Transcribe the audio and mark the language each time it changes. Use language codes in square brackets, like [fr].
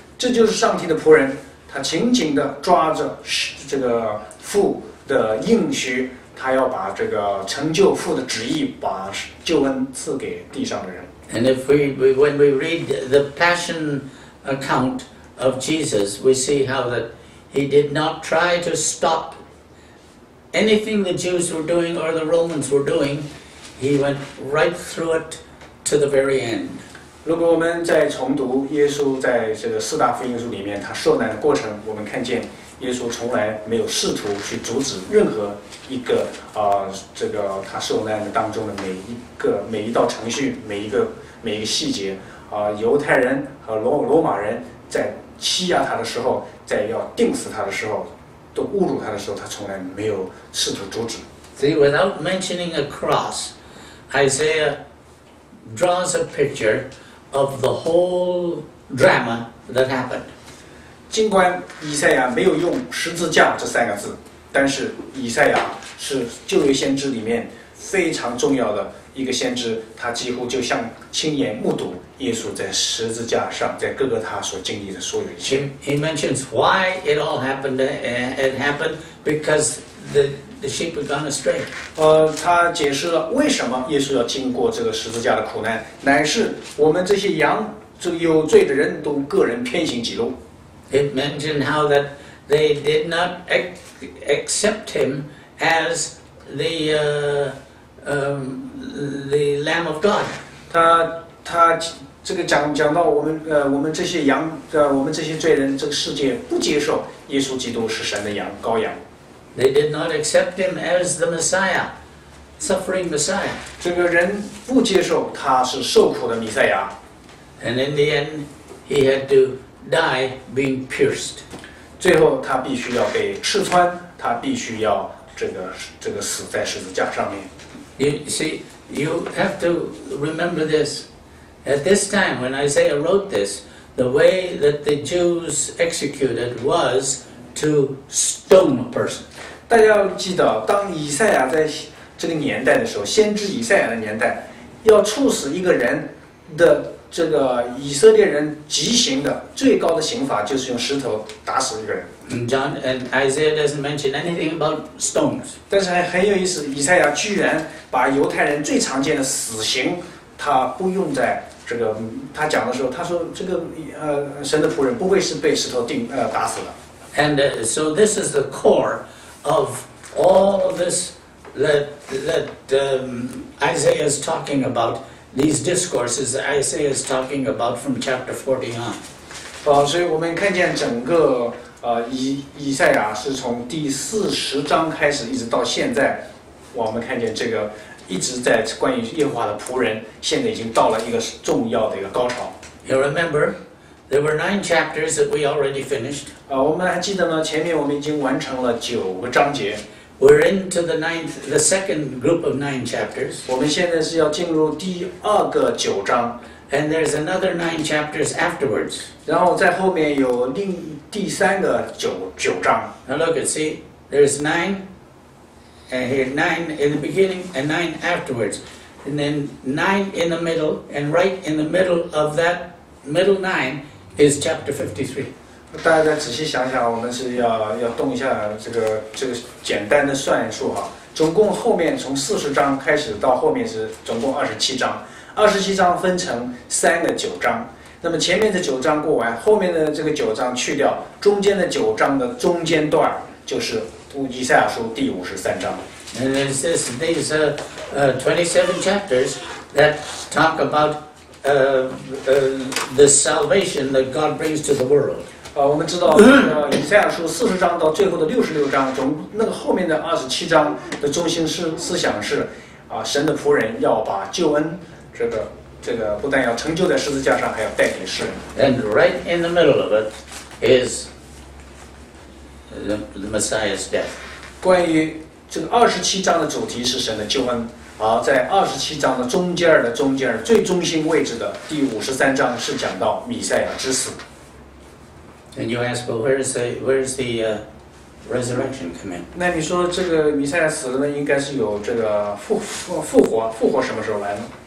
[zh] 这就是上帝的仆人，他紧紧地抓着这个父的应许。他要把这个成就父的旨意，把救恩赐给地上的人。 [en] And if we when we read the passion account of Jesus, we see how that he did not try to stop anything the Jews were doing or the Romans were doing. He went right through it to the very end. [zh] 如果我们再重读耶稣在这个四大福音书里面他受难的过程，我们看见耶稣从来没有试图去阻止任何一个这个他受难的当中的每一道程序，每一个细节。犹太人和罗马人在欺压他的时候，在要钉死他的时候，都侮辱他的时候，他从来没有试图阻止。 [en] See, without mentioning a cross, Isaiah draws a picture of the whole drama that happened. [zh] 尽管以赛亚没有用十字架这三个字，但是以赛亚是旧约先知里面非常重要的一个先知，他几乎就像亲眼目睹耶稣在十字架上，在哥哥他所经历的所有一切。 [en] He mentions why it all happened. It happened because the sheep had gone astray. [zh] 他解释了为什么耶稣要经过这个十字架的苦难，乃是我们这些羊，这有罪的人都个人偏行己路。 [en] It mentioned how that they did not accept him as the Lamb of God. [zh] 他这个讲到我们这些羊，我们这些罪人，这个世界不接受耶稣基督是神的羊羔羊。 [en] They did not accept him as the Messiah, suffering Messiah. [zh] 这个人不接受他是受苦的弥赛亚。 [en] And in the end, he had to die being pierced. [zh] 最后他必须要被刺穿，他必须要这个死在十字架上面。 [en] You see, you have to remember this. At this time, when Isaiah wrote this, the way that the Jews executed was to stone a person. [zh] 大家要记得，当以赛亚在这个年代的时候，先知以赛亚的年代，要处死一个人的这个以色列人极刑的最高的刑罚，就是用石头打死一个人。 [en] John and Isaiah doesn't mention anything about stones. [zh] 但是很有意思，以赛亚居然把犹太人最常见的死刑，他不用在这个他讲的时候，他说这个神的仆人不会是被石头钉打死的。 [en] And so this is the core of all of this that Isaiah is talking about. These discourses that Isaiah is talking about from chapter 40 on. [zh] 所以我们看见整个。以赛亚是从第四十章开始一直到现在，我们看见这个一直在关于耶和华的仆人，现在已经到了一个重要的一个高潮。 [en] You remember, there were 9 chapters that we already finished. [zh] 我们还记得呢，前面我们已经完成了9章节。 [en] We're into the second group of 9 chapters. [zh] 我们现在是要进入第二个九章。 [en] And there's another 9 chapters afterwards. [zh] 然后在后面有第三个九章。 [en] Now look and see, there's 9, and here 9 in the beginning and 9 afterwards. And then 9 in the middle, and right in the middle of that middle 9 is chapter 53. [zh] 大家仔细想想，我们是要动一下这个简单的算数哈。总共后面从40章开始到后面是总共27章。 27章分成三个九章，那么前面的九章过完，后面的这个九章去掉，中间的九章的中间段就是以赛亚书第53章。 [en] And it says these 27 chapters that talk about the salvation that God brings to the world. [zh] 我们知道以赛亚书40章到最后的66章，从那个后面的27章的中心思想是神的仆人要把救恩这个不但要成就在十字架上，还要带给世人。 [en] And right in the middle of it is the Messiah's death. [zh] 关于这个27章的主题是神的救恩，而在27章的中间最中心位置的第53章是讲到弥赛亚之死。 [en] And you ask, well, where is the resurrection come in? [zh] 那你说这个弥赛亚死了呢，应该是有这个复活什么时候来呢？